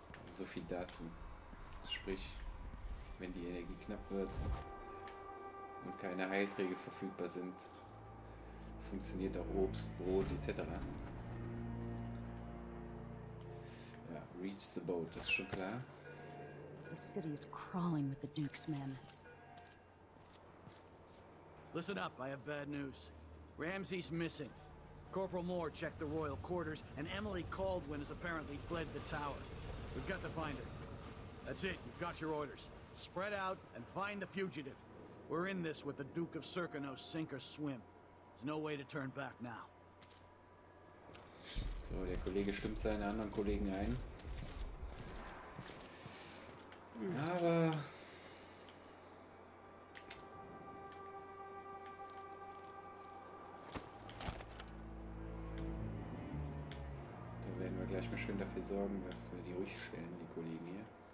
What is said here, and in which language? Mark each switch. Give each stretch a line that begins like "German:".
German: So viel dazu. Sprich, wenn die Energie knapp wird und keine Heilträge verfügbar sind, funktioniert auch Obst, Brot etc. Ja,
English: reach the boat,
German: das ist schon klar.
English: The city is crawling with the Duke's men. Listen up, I have bad news. Ramsay's missing. Corporal Moore checked the royal quarters and Emily Caldwin has apparently fled the tower. We've got to find her. That's it, you've got your orders. Spread out and find the fugitive. We're in this with the Duke of Cirkonos, sink or swim. There's no way to turn back now.
German: So, der Kollege stimmt seine anderen Kollegen ein. Aber da werden wir gleich mal schön dafür sorgen, dass wir die ruhig stellen, die Kollegen hier.